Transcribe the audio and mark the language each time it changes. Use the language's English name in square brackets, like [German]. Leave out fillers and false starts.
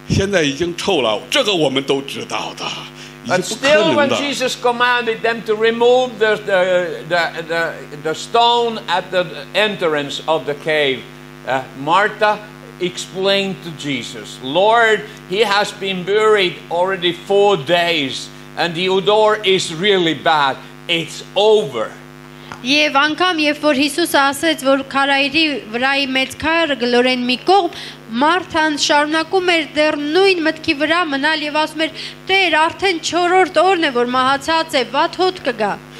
[Chinese] 耶稣说：“你渴望你的兄弟复活吗？你把那石头挪开。”他说：“我知道，他这个是三天，这个不是四天呐，现在已经臭了。这个我们都知道的。” [English] But still, when Jesus commanded them to remove the stone at the entrance of the cave, Martha explained to Jesus, "Lord, he has been buried already 4 days, and the odor is really bad. It's over." [Armenian] Եվ անգամ երբ որ Հիսուսը ասեց, որ քարայրի վրայի մեծ քարը գլորեն մի կողմ, Մարթան շարունակում էր դեռ նույն մտքի վրա մնալ եւ ասում էր. «Տեր, արդեն 4-րդ օրն է, որ մահացած է, վատ հոտ կգա»։